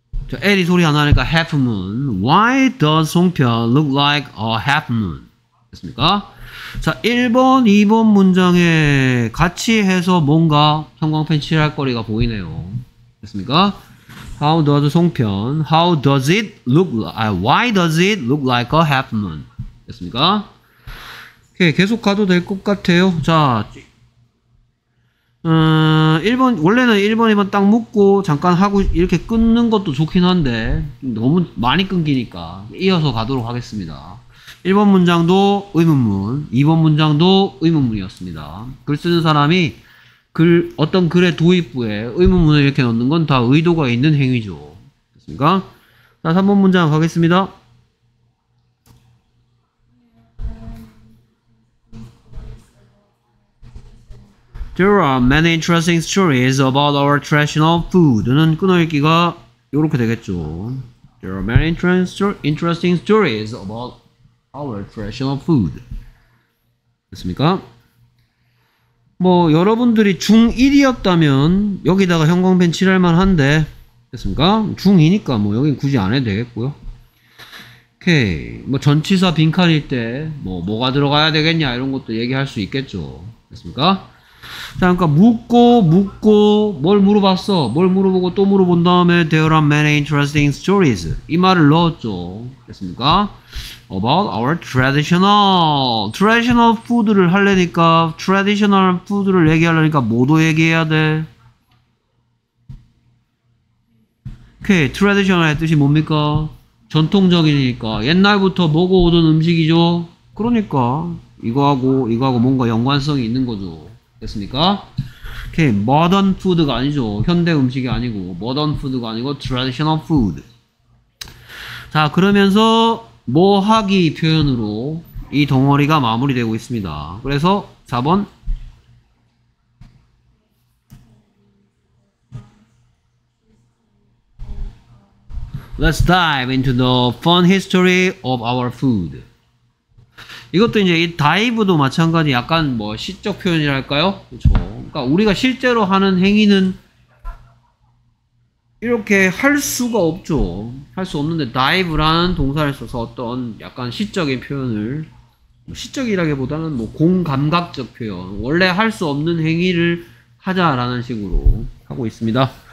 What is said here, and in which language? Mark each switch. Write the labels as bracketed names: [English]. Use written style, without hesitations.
[Korean] 자, 에리 소리 안 나니까 [English] half moon. Why does 송표 look like a half moon? [Korean] 됐습니까? 자, 1번, 2번 문장에 같이 해서 뭔가 형광펜 칠할 거리가 보이네요. 됐습니까? [English] How does 송표, how does it look like, why does it look like a half moon? [Korean] 됐습니까? 오케이, 계속 가도 될 것 같아요. 자, 1번, 원래는 1번, 2번 딱 묶고 잠깐 하고 이렇게 끊는 것도 좋긴 한데 너무 많이 끊기니까 이어서 가도록 하겠습니다. 1번 문장도 의문문, 2번 문장도 의문문이었습니다. 글 쓰는 사람이 글 어떤 글의 도입부에 의문문을 이렇게 넣는 건 다 의도가 있는 행위죠. 됐습니까? 자, 3번 문장 가겠습니다. [English] 'There are many interesting stories about our traditional food'는 [Korean] 끊어읽기가 이렇게 되겠죠. [English] 'There are many interesting stories about our traditional food'. [Korean] 됐습니까? 뭐 여러분들이 중1이었다면 여기다가 형광펜 칠할 만한데 됐습니까? 중2니까 뭐 여긴 굳이 안 해도 되겠고요. 오케이. 뭐 전치사 빈칸일 때 뭐 뭐가 들어가야 되겠냐 이런 것도 얘기할 수 있겠죠. 됐습니까? 자, 그러니까 묻고 뭘 물어봤어? 뭘 물어보고 또 물어본 다음에 [English] There are many interesting stories [Korean] 이 말을 넣었죠. 됐습니까? [English] About our traditional food를 하려니까 traditional food를 [Korean] 얘기하려니까 뭐도 얘기해야 돼? 오케이, traditional의 뜻이 뭡니까? 전통적이니까 옛날부터 먹어 오던 음식이죠. 그러니까 이거하고 뭔가 연관성이 있는 거죠. 됐습니까? 오케이, modern food가 아니죠. 현대 음식이 아니고 modern food가 아니고 traditional food. 자 그러면서 뭐 하기 표현으로 이 덩어리가 마무리되고 있습니다. 그래서 4번 [English] Let's dive into the fun history of our food. [Korean] 이것도 이제 이 다이브도 마찬가지 약간 뭐 시적 표현이랄까요? 그렇죠. 그러니까 우리가 실제로 하는 행위는 이렇게 할 수가 없죠. 할 수 없는데 다이브라는 동사를 써서 어떤 약간 시적인 표현을 시적이라기보다는 뭐 공감각적 표현 원래 할 수 없는 행위를 하자라는 식으로 하고 있습니다.